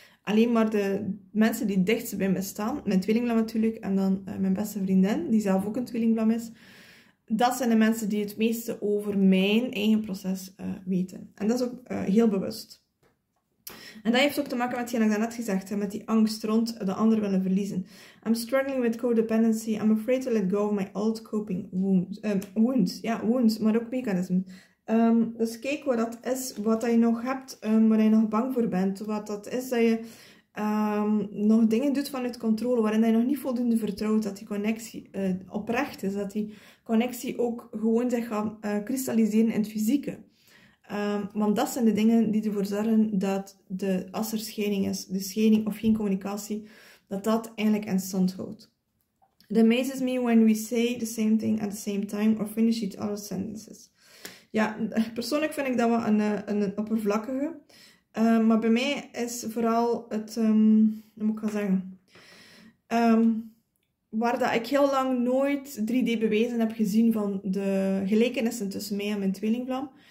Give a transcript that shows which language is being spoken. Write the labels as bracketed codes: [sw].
[nl] Alleen maar de mensen die dichtst bij me staan, mijn tweelingvlam natuurlijk en dan mijn beste vriendin die zelf ook een tweelingvlam is. Dat zijn de mensen die het meeste over mijn eigen proces weten. En dat is ook heel bewust. En dat heeft ook te maken met wat ik daarnet gezegd heb, met die angst rond de ander willen verliezen. [en] I'm struggling with codependency. I'm afraid to let go of my old coping wounds. [nl] Wounds, maar ook mechanismen. Dus kijk wat dat is, wat dat je nog hebt, waar je nog bang voor bent. Wat dat is dat je nog dingen doet vanuit controle, waarin je nog niet voldoende vertrouwt dat die connectie oprecht is. Dat die connectie ook gewoon zich gaat kristalliseren in het fysieke. Want dat zijn de dingen die ervoor zorgen dat de, als er scheiding is, de scheiding of geen communicatie, dat eigenlijk in stand houdt. [en] It amazes me when we say the same thing at the same time or finish each other's sentences. [nl] Ja, persoonlijk vind ik dat wel een oppervlakkige. Maar bij mij is vooral het, hoe moet ik gaan zeggen, waar dat ik heel lang nooit 3D bewezen heb gezien van de gelijkenissen tussen mij en mijn tweelingvlam.